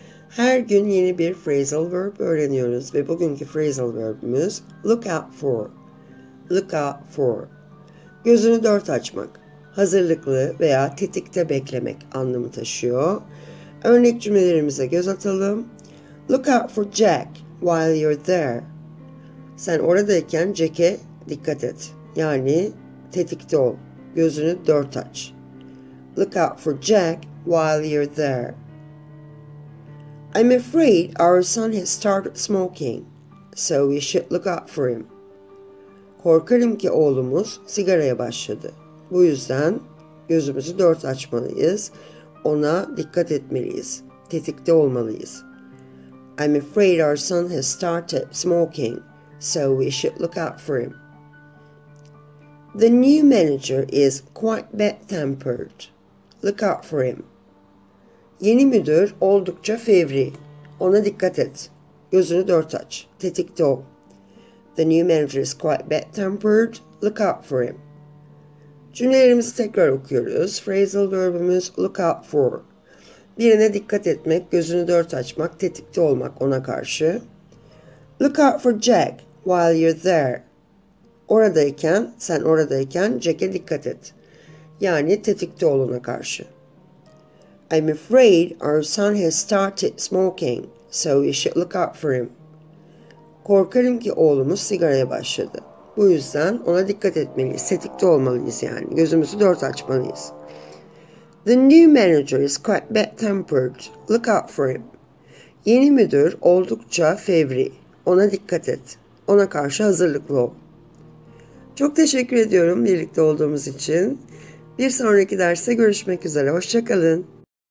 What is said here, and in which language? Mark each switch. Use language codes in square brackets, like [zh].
[tr] Her gün yeni bir phrasal verb öğreniyoruz ve bugünkü phrasal verbimiz [en] look out for. Look out for. [tr] Gözünü dört açmak, hazırlıklı veya tetikte beklemek anlamı taşıyor. Örnek cümlelerimize göz atalım. [en] Look out for Jack while you're there. [tr] Sen oradayken Jack'e dikkat et. Yani tetikte ol. Gözünü dört aç. [en] Look out for Jack while you're there. I'm afraid our son has started smoking, so we should look out for him. [tr] Korkarım ki oğlumuz sigaraya başladı. Bu yüzden gözümüzü dört açmalıyız. Ona dikkat etmeliyiz. Tetikte olmalıyız. [en] I'm afraid our son has started smoking, so we should look out for him. The new manager is quite bad-tempered. Look out for him. [tr] Yeni müdür oldukça fevri. Ona dikkat et. Gözünü dört aç. Tetikte ol. [en] The new manager is quite bad-tempered. Look out for him. [tr] Cümlelerimizi tekrar okuyoruz. Phrasal verbimiz [en] look out for. [tr] Birine dikkat etmek, gözünü dört açmak, tetikte olmak ona karşı. [en] Look out for Jack while you're there. [tr] Oradayken, sen oradayken Jack'e dikkat et. Yani tetikte oluna karşı. [en] I'm afraid our son has started smoking, so we should look out for him. [tr] Korkarım ki oğlumuz sigaraya başladı. Bu yüzden ona dikkat etmeliyiz, tetikte olmalıyız yani. Gözümüzü dört açmalıyız. [en] The new manager is quite bad-tempered. Look out for him. [tr] Yeni müdür oldukça fevri. Ona dikkat et. Ona karşı hazırlıklı ol. Çok teşekkür ediyorum birlikte olduğumuz için. Bir sonraki derste görüşmek üzere. Hoşça kalın.